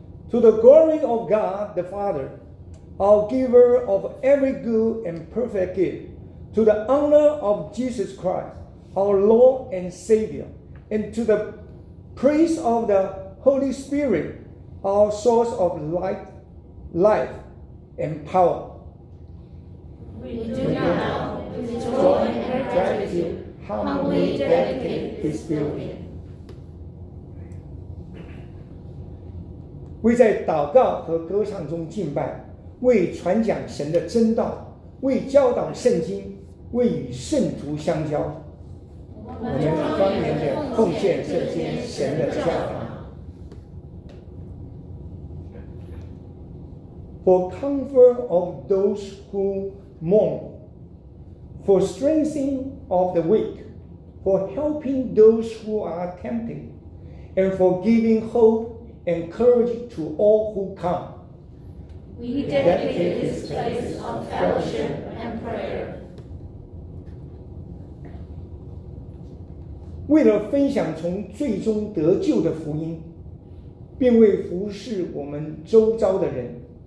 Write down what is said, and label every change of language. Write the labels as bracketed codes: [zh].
[en] To the glory of God the Father, our giver of every good and perfect gift, to the honor of Jesus Christ,our Lord and Savior, and to the praise of the Holy Spirit, our source of light, life, and power. We do now, with joy and gratitude, humbly dedicate this building. [zh] 为在祷告和歌唱中敬拜，为传讲神的真道，为教导圣经，为与圣徒相交。我们庄严地奉献这间神的教堂 [en] ，for comfort of those who mourn, for strengthening of the weak, for helping those who are tempted, and for giving hope and courage to all who come. We dedicate this place of fellowship and prayer. [zh] 为了分享从最终得救的福音，并为服侍我们周遭的人，